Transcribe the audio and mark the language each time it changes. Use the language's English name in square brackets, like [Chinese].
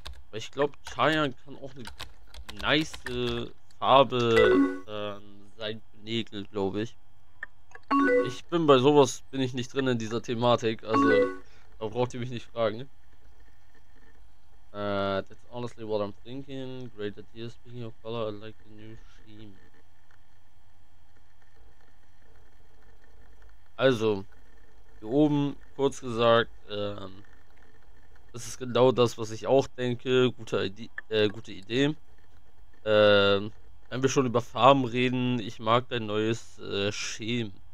[German] Weil ich glaube, Cheyenne kann auch eine nice Farbe sein für Nägel, glaube ich. Ich bin bei sowas, bin ich nicht drin in dieser Thematik, also da braucht ihr mich nicht fragen. [English] That's honestly what I'm thinking. Great that you're speaking of color, I like the new scheme. [German] Also, hier oben, kurz gesagt, das ist genau das, was ich auch denke. Gute Idee. Wenn wir schon über Farben reden, ich mag dein neues Scheme.